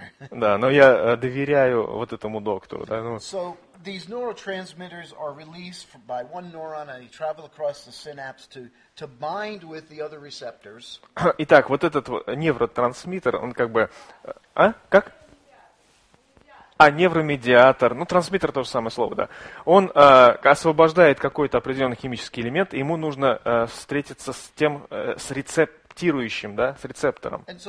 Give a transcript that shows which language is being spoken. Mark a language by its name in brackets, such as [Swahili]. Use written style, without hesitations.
[Russian] Да, но я доверяю вот этому доктору. [English] These neurotransmitters are released by one neuron and they travel across the synapse to bind with the other receptors. [Russian] Итак, вот этот невротрансмиттер, он как бы... А? Как? А, невромедиатор. Ну, трансмиттер – то же самое слово, да. Он освобождает какой-то определенный химический элемент, и ему нужно встретиться с тем, с рецептором. Рецептирующим, да, с рецептором.